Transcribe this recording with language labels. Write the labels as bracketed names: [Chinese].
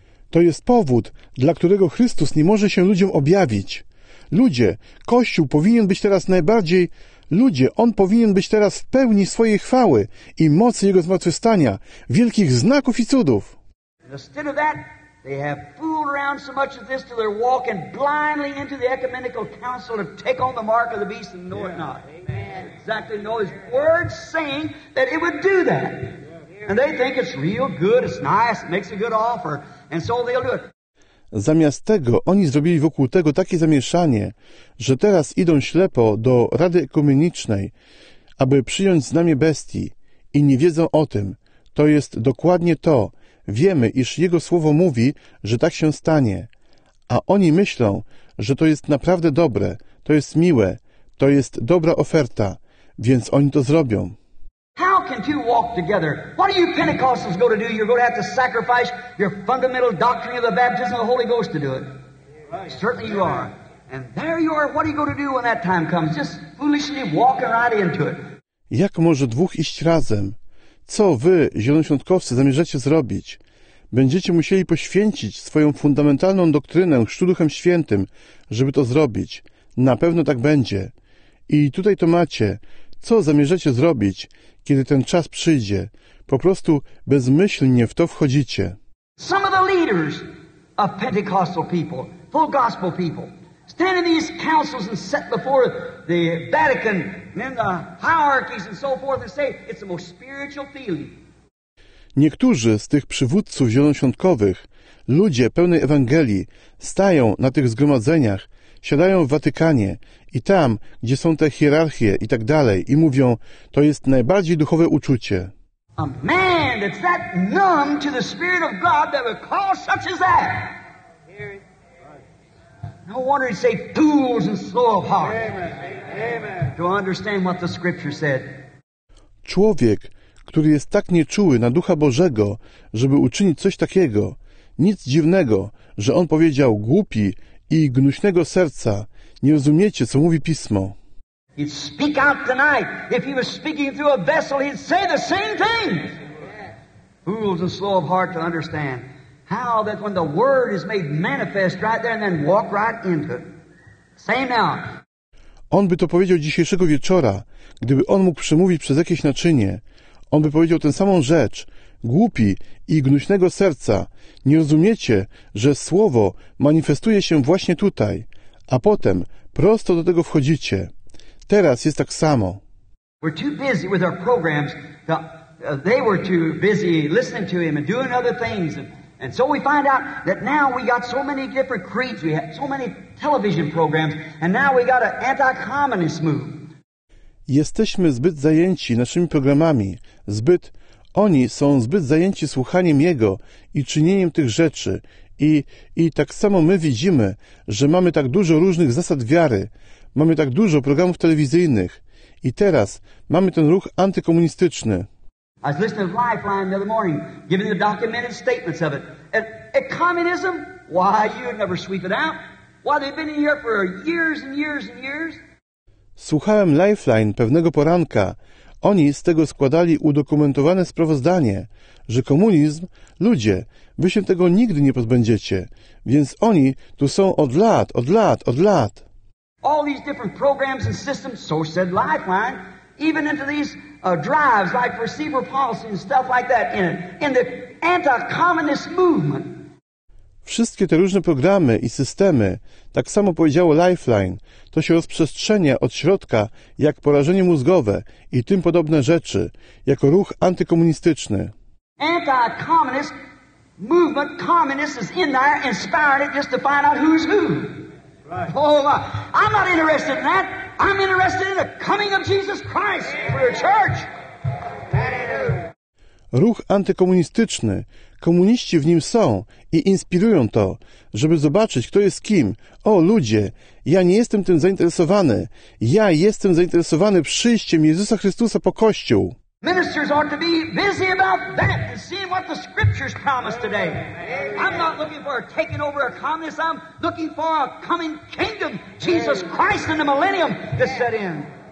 [Polish] To jest powód, dla którego Chrystus nie może się ludziom objawić. Ludzie, Kościół powinien być teraz najbardziej... Ludzie, on powinien być teraz w pełni swojej chwały i mocy jego zmartwychwstania, wielkich znaków i cudów. [English] Instead of that, they have fooled around so much of this till they're walking blindly into the ecumenical council to take on the mark of the beast and know it not. Amen. Exactly, know his word saying that it would do that. And they think it's real good, it's nice, it makes a good offer, and so they'll do it. [Polish] Zamiast tego, oni zrobili wokół tego takie zamieszanie, że teraz idą ślepo do Rady Ekumenicznej, aby przyjąć znamie bestii, i nie wiedzą o tym. To jest dokładnie to. Wiemy, iż Jego Słowo mówi, że tak się stanie. A oni myślą, że to jest naprawdę dobre, to jest miłe, to jest dobra oferta, więc oni to zrobią. [English] How can two walk together? What are you Pentecostals going to do? You're going to have to sacrifice your fundamental doctrine of the baptism of the Holy Ghost to do it. Right. Certainly you are. And there you are. What are you going to do when that time comes? Just foolishly walking right into it. [Polish] Jak może dwóch iść razem? Co wy, zielonoświątkowcy, zamierzacie zrobić? Będziecie musieli poświęcić swoją fundamentalną doktrynę Chrztu Duchem Świętym, żeby to zrobić. Na pewno tak będzie. I tutaj to macie. Co zamierzacie zrobić, kiedy ten czas przyjdzie? Po prostu bezmyślnie w to wchodzicie. [English] Some of the leaders of Pentecostal people, full gospel people. Stand in these councils and set before the Vatican and in the hierarchies and so forth and say it's the most spiritual feeling. [Polish] Niektórzy z tych przywódców zielonoświątkowych, ludzie pełnej Ewangelii, stają na tych zgromadzeniach, siadają w Watykanie i tam, gdzie są te hierarchie i tak dalej, i mówią, to jest najbardziej duchowe uczucie. [English] A man that's that numb to the Spirit of God that would call such as that. No wonder he'd say fools and slow of heart. Amen. Amen. To understand what the Scripture said. [Polish] Człowiek, który jest tak nieczuły na Ducha Bożego, żeby uczynić coś takiego, nic dziwnego, że on powiedział głupi i gnuśnego serca, nie rozumiecie, co mówi Pismo. [English] He'd speak out tonight. If he was speaking through a vessel, he'd say the same thing. Fools and slow of heart to understand how that when the word is made manifest right there and then walk right into it. Same now. [Polish] On by to powiedział dzisiejszego wieczora, gdyby on mógł przemówić przez jakieś naczynie. On by powiedział tę samą rzecz. Głupi i gnuśnego serca, nie rozumiecie, że słowo manifestuje się właśnie tutaj, a potem prosto do tego wchodzicie. Teraz jest tak samo. [English] We're too busy with our programs. They were too busy listening to him and doing other things. And so we find out that now we got so many different creeds. We have so many television programs. And now we got an anti-communist move. [Polish] Jesteśmy zbyt zajęci naszymi programami. Oni są zbyt zajęci słuchaniem Jego i czynieniem tych rzeczy. I tak samo my widzimy, że mamy tak dużo różnych zasad wiary. Mamy tak dużo programów telewizyjnych. I teraz mamy ten ruch antykomunistyczny. [English] I was listening to Lifeline the other morning, giving the documented statements of it. And communism? Why, you would never sweep it out. Why, they've been in here for years and years and years. [Polish] Słuchałem Lifeline pewnego poranka. Oni z tego składali udokumentowane sprawozdanie, że komunizm, ludzie, wy się tego nigdy nie pozbędziecie, więc oni tu są od lat. [English] All these different programs and systems, so said Lifeline, even into these drives like receiver policy and stuff like that in the anti-communist movement. [Polish] Wszystkie te różne programy i systemy, tak samo powiedziało Lifeline, to się rozprzestrzenia od środka jak porażenie mózgowe i tym podobne rzeczy, jako ruch antykomunistyczny. [English] Anti-communist movement, communist is in there and inspired it just to find out who's who. Right. Oh, I'm not interested in that. I'm interested in the coming of Jesus Christ for your church. [Polish] Ruch antykomunistyczny. Komuniści w nim są i inspirują to, żeby zobaczyć, kto jest kim. O, ludzie, ja nie jestem tym zainteresowany. Ja jestem zainteresowany przyjściem Jezusa Chrystusa po Kościół. [English] Ministers ought to be busy about that and seeing what the scriptures promise today. I'm not looking for a taking over a communist. I'm looking for a coming kingdom, Jesus Christ in the millennium to set in.